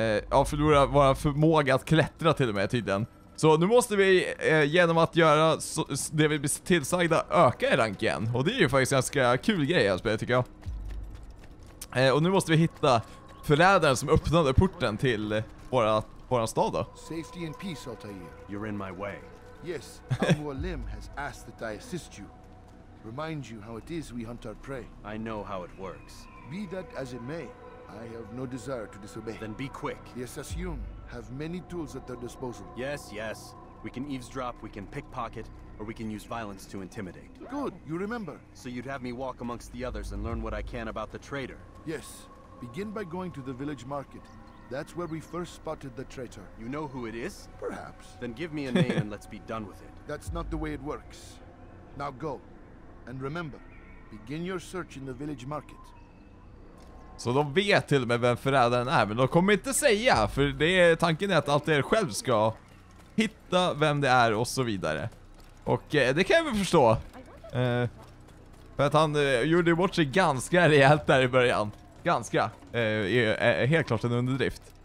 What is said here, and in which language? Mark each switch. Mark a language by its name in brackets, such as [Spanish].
[Swedish] Ja, förlorar vår förmåga att klättra till och med tydligen. Så nu måste vi genom att göra det vi blir tillsagda öka i rank igen. Och det är ju faktiskt ganska kul grej att spela, tycker jag. Och nu måste vi hitta förrädaren som öppnade porten till våran stad då. [English] Safety and peace, Altair. You're in my way. Yes, Abu Alim has asked that I assist you. Remind you how it is we hunt our prey. I know how it works. Be that as it may, I have no desire to disobey. Then be quick. The assassin have many tools at their disposal. Yes, yes. We can eavesdrop, we can pickpocket, or we can use violence to intimidate. Good, you remember. So you'd have me walk amongst the others and learn what I can about the traitor. Yes. Begin by going to the village market. That's where we first spotted the traitor. You know who it is? Perhaps. Then give me a name and let's be done with it. That's not the way it works. Now go. And remember, begin your search in the village market. [Swedish] Så de vet till och med vem förrädaren är, men de kommer inte säga, för det är tanken är att allt er själv ska hitta vem det är och så vidare. Och det kan jag väl förstå. För att han gjorde bort sig ganska rejält där i början. Ganska. Helt klart en underdrift.